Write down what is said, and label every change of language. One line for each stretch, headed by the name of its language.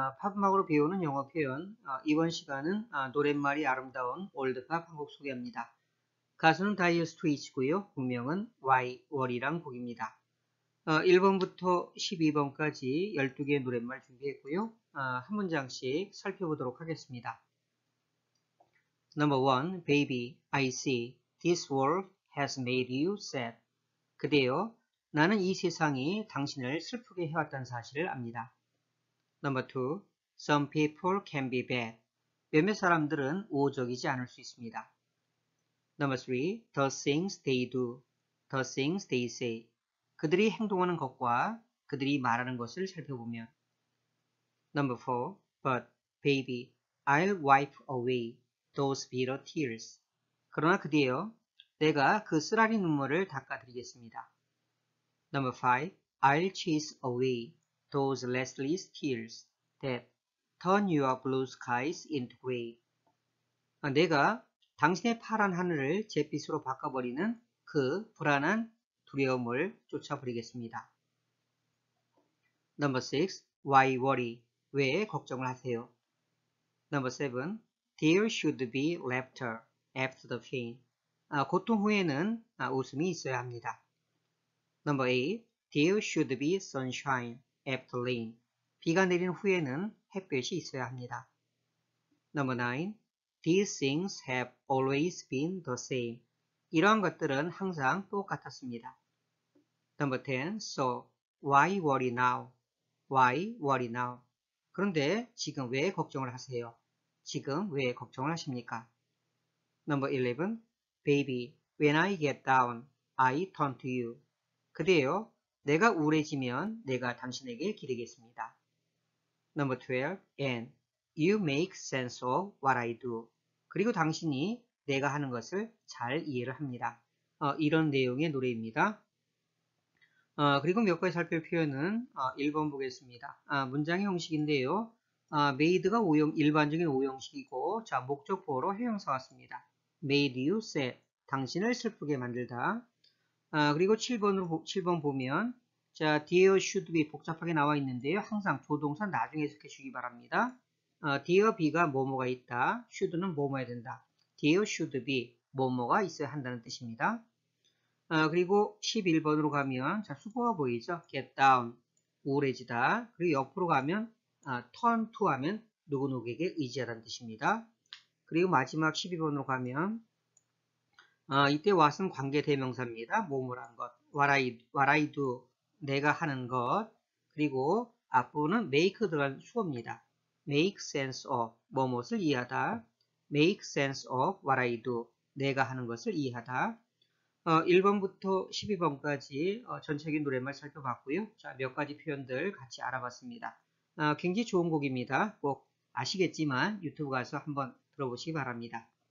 Korean: 팝음악으로 배우는 영어 표현. 이번 시간은 노랫말이 아름다운 올드팝 한곡 소개합니다. 가수는 다이어 스트레이츠고요. 곡명은 Why What이란 곡입니다. 1번부터 12번까지 12개의 노랫말 준비했고요. 한 문장씩 살펴보도록 하겠습니다.
English: Number 1. Baby, I see. This world has made you sad.
Korean: 그대여. 나는 이 세상이 당신을 슬프게 해왔다는 사실을 압니다.
English: Number 2. Some people can be bad.
Korean: 몇몇 사람들은 우호적이지 않을 수 있습니다.
English: Number 3. The things they do, the things they say.
Korean: 그들이 행동하는 것과 그들이 말하는 것을 살펴보면.
English: Number 4. But, baby, I'll wipe away those bitter tears.
Korean: 그러나 그대여, 내가 그 쓰라린 눈물을 닦아드리겠습니다.
English: Number 5. I'll chase away those restless tears that turn your blue skies into gray.
Korean: 내가 당신의 파란 하늘을 잿빛으로 바꿔버리는 그 불안한 두려움을 쫓아버리겠습니다.
English: Number 6. Why worry?
Korean: 왜 걱정을 하세요?
English: Number 7. There should be laughter after the pain.
Korean: 고통 후에는 웃음이 있어야 합니다.
English: Number 8. There should be sunshine after rain.
Korean: 비가 내린 후에는 햇볕이 있어야 합니다.
English: Number 9. These things have always been the same.
Korean: 이러한 것들은 항상 똑같았습니다.
English: Number 10. So, why worry now? Why worry now?
Korean: 그런데 지금 왜 걱정을 하세요? 지금 왜 걱정을 하십니까?
English: Number 11. Baby, when I get down, I turn to you.
Korean: 그대요. 내가 우울해지면 내가 당신에게 기대겠습니다.
English: Number 12. And you make sense of what I do.
Korean: 그리고 당신이 내가 하는 것을 잘 이해를 합니다. 이런 내용의 노래입니다. 그리고 몇 가지 살펴볼 표현은 1번 보겠습니다. 문장의 형식인데요. made가 일반적인 오형식이고, 자, 목적 보어로 형용사 왔습니다.
English: made you sad.
Korean: 당신을 슬프게 만들다. 그리고 7번 보면, 자, there should be 복잡하게 나와 있는데요. 항상 조동사 나중에 해석해 주기 바랍니다. there be가 뭐뭐가 있다. should는 뭐뭐해야 된다. there should be 뭐뭐가 있어야 한다는 뜻입니다. 그리고 11번으로 가면, 자, 수고가 보이죠? get down, 우울해지다. 그리고 옆으로 가면, turn to 하면 누구누구에게 의지하다는 뜻입니다. 그리고 마지막 12번으로 가면, 이때 what은 관계 대명사입니다. 뭐뭐란 것. what I do. 내가 하는 것, 그리고 앞부분은 make 들어간 수어입니다. make sense of, 뭐뭇을 이해하다.
English: make sense of what I do,
Korean: 내가 하는 것을 이해하다. 1번부터 12번까지 전체적인 노랫말 살펴봤고요. 자, 몇 가지 표현들 같이 알아봤습니다. 굉장히 좋은 곡입니다. 꼭 아시겠지만 유튜브 가서 한번 들어보시기 바랍니다.